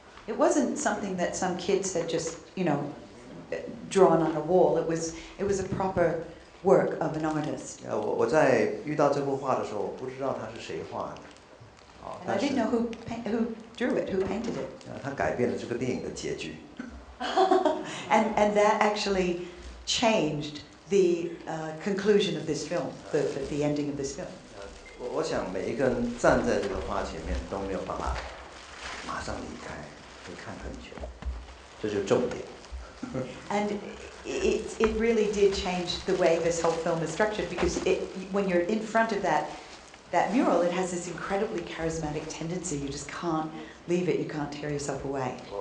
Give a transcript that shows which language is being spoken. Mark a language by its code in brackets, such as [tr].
[en] It wasn't something that some kids had just, you know, drawn on a wall. It was a proper work of an artist. [zh] 我在遇到这幅画的时候，我不知道它是谁画的。 [en] And I didn't know who drew it, who painted it. [zh] 他改变了这个电影的结局。 [en] And that actually changed the conclusion of this film, the ending of this film. [zh] 我想每一个人站在这个画前面都没有办法马上离开，会看很久，这就是重点。 [en] it really did change the way this whole film is structured because when you're in front of that mural, it has this incredibly charismatic tendency. You just can't leave it, you can't tear yourself away.